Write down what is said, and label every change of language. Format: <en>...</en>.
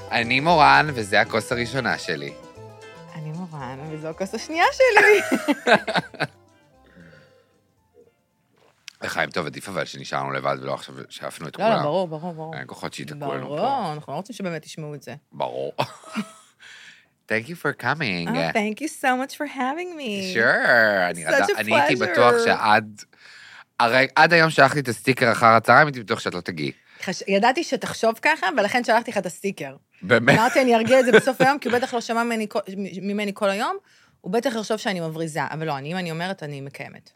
<he>אני מורן, וזה הכוס הראשונה שלי. אני מורן, וזו הכוס השנייה שלי. חיים, טוב, עדיף אבל שנשארנו לבד ולא עכשיו שאפנו את כולם. לא, ברור, ברור, ברור. אין כוחות שיתקו לנו פה. ברור, אנחנו לא רוצים שבאמת תשמעו את זה. ברור.</he> <en>Thank you for coming. Oh, thank you so much for having me. Sure. Such a pleasure.</en> <he>אני הייתי בטוח שעד... הרי עד היום שלחתי את הסטיקר אחר הצהריים, הייתי בטוח שאת לא תגיעי. ידעתי שתחשוב ככה, ולכן שלחתי לך את הסטיקר. באמת? אמרתי, אני ארגיע את זה בסוף היום, כי הוא בטח לא שמע ממני כל היום, הוא בטח חשוב שאני מבריזה. אבל לא, אני, אם אני אומרת, אני מקיימת.</he>